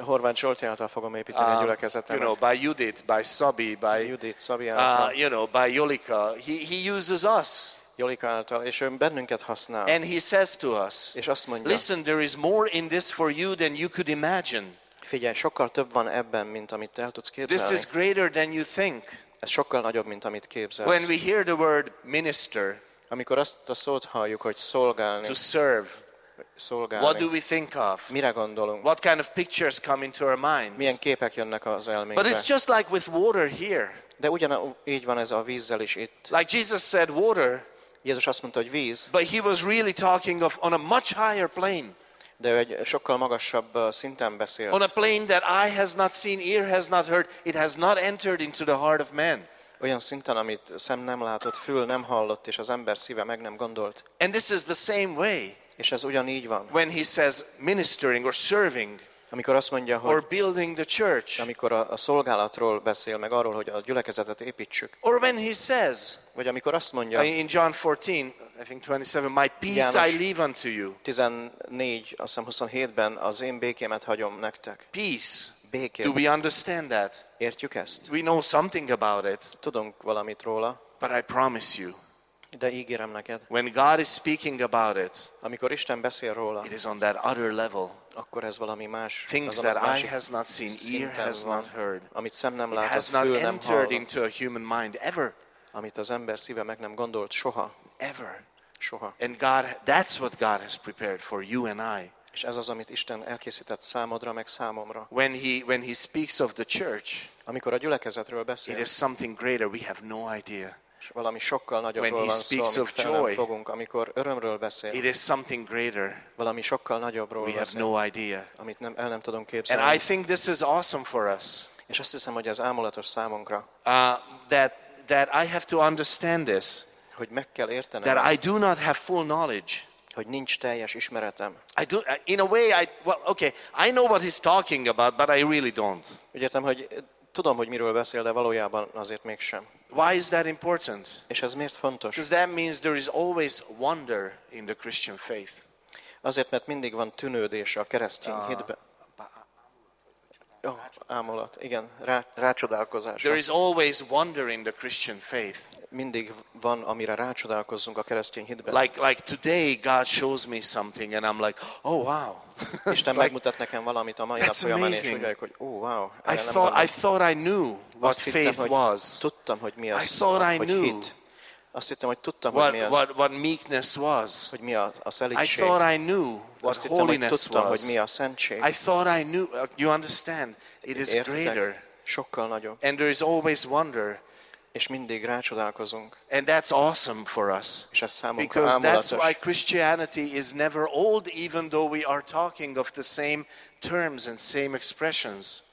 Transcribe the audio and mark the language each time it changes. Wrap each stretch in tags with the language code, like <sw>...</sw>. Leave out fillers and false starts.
<hu>Horváth Zsolti által fogom építeni a gyülekezetemet.</hu> <en>You know, by Judith, by Szabi, by</en> <hu>Judith, Szabi által.</hu> <en>You know, by Jolika. He uses us.</en> <hu>Jolika által, és ő bennünket használ.</hu> <en>And he says to us,</en> <hu>és azt mondja,</hu> <en>listen, there is more in this for you than you could imagine.</en> <hu>Figyelj, sokkal több van ebben, mint amit el tudsz képzelni.</hu> <en>This is greater than you think.</en> <hu>Ez sokkal nagyobb, mint amit képzelsz.</hu> <en>When we hear the word minister,</en> <hu>amikor azt a szót halljuk, hogy szolgálni,</hu> <en>to serve,</en> <hu>szolgálni.</hu> <en>What do we think of?</en> <hu>Mire gondolunk?</hu> <en>What kind of pictures come into our minds?</en> <hu>Milyen képek jönnek az elménkbe?</hu> <en>But it's just like with water here.</en> <hu>De ugyanígy van ez a vízzel is itt.</hu> <en>Like Jesus said, water.</en> <hu>Jézus azt mondta, hogy víz.</hu> <en>But he was really talking of on a much higher plane.</en> <hu>De egy sokkal magasabb szinten beszél.</hu> <en>On a plane that eye has not seen, ear has not heard, it has not entered into the heart of man.</en> <hu>Olyan szinten, amit szem nem látott, fül nem hallott, és az ember szíve meg nem gondolt.</hu> <en>And this is the same way.</en> <hu>És ez ugyanígy van.</hu> <en>When he says ministering or serving.</en> <hu>Amikor azt mondja, hogy</hu> <en>or building the church.</en> <hu>Amikor a szolgálatról beszél, meg arról, hogy a gyülekezetet építsük.</hu> <en>Or when he says.</en> <hu>Vagy amikor azt mondja.</hu> <en>In John 14. I think 27, my peace</en> <hu>János,</hu> <en>I leave unto you.</en> <hu>14, azt hiszem 27-ben az én békémet hagyom nektek.</hu> <en>Peace.</en> <hu>Békém.</hu> <en>Do we understand that?</en> <hu>Értjük ezt?</hu> <en>We know something about it.</en> <hu>Tudunk valamit róla.</hu> <en>But I promise you.</en> <hu>De ígérem neked.</hu> <en>When God is speaking about it.</en> <hu>Amikor Isten beszél róla.</hu> <en>It is on that other level.</en> <hu>Akkor ez valami más.</hu> <en>Things that eye has not seen, ear has not heard.</en> <hu>Amit szem nem látott,</hu> <en>it has not entered</en> <hu>hallott.</hu> <en>Into a human mind ever.</en> <hu>Amit az ember szíve meg nem gondolt soha.</hu> <en>Ever.</en> <hu>Soha.</hu> <en>And God, that's what God has prepared for you and I.</en> <hu>És ez az, amit Isten elkészített számodra, meg számomra.</hu> <en>When he speaks of the church,</en> <hu>amikor a gyülekezetről beszél,</hu> <en>it is something greater, we have no idea.</en> <hu>Valami sokkal nagyobbról van szó, amit fel nem fogunk, amikor örömről beszél.</hu> <en>It is something greater.</en> <hu>Valami sokkal nagyobbról</hu> <en>we</en> <hu>beszél.</hu> <en>We have no idea.</en> <hu>Amit el nem tudunk képzelni.</hu> <en>And I think this is awesome for us.</en> <hu>És azt hiszem, hogy ez ámulatos számunkra.</hu> <en>That I have to understand this.</en> <hu>Hogy meg kell értenem.</hu> <en>That I do not have full knowledge.</en> <hu>Hogy nincs teljes ismeretem.</hu> <en>I do, in a way, I know what he's talking about, but I really don't.</en> <hu>Értem, hogy tudom, hogy miről beszél, de valójában azért mégsem.</hu> <en>Why is that important?</en> <hu>És ez miért fontos?</hu> <en>Because that means there is always wonder in the Christian faith.</en> <hu>Azért, mert mindig van tűnődés a keresztény hitben. Ámulat, igen, rácsodálkozás.</hu> <en>There is always wonder in the Christian faith.</en> <hu>Mindig van, amire rácsodálkozzunk a keresztény hitben.</hu> <en>Like today God shows me something and I'm like, oh wow.</en> <hu>Isten like, megmutat nekem valamit a mai nap folyamán, és úgy vagyok, hogy</hu> <en>oh wow. I thought I knew what faith was.</en> <hu>Tudtam, hogy mi az.</hu> <en>I thought I knew.</en> <hu>Azt hittem, hogy tudtam,</hu> <en>what,</en> <hu>hogy mi az.</hu> <en>What meekness was.</en> <hu>Hogy mi a szelítség.</hu> <en>I thought I knew what</en> <hu>hittem,</hu> <en>holiness</en> <hu>hogy tudtam,</hu> <en>was.</en> <hu>Hogy mi a szentség.</hu> <en>I thought I knew. You understand? It is</en> <hu>értitek?</hu> <en>Greater.</en> <hu>Sokkal nagyobb.</hu> <en>And there is always wonder.</en> <hu>És mindig rácsodálkozunk.</hu> <en>And that's awesome for us.</en> <hu>És ez számunkra</hu> <en>because</en> <hu>ámulatos.</hu> <en>That's why Christianity is never old, even though we are talking of the same terms and same expressions.</en>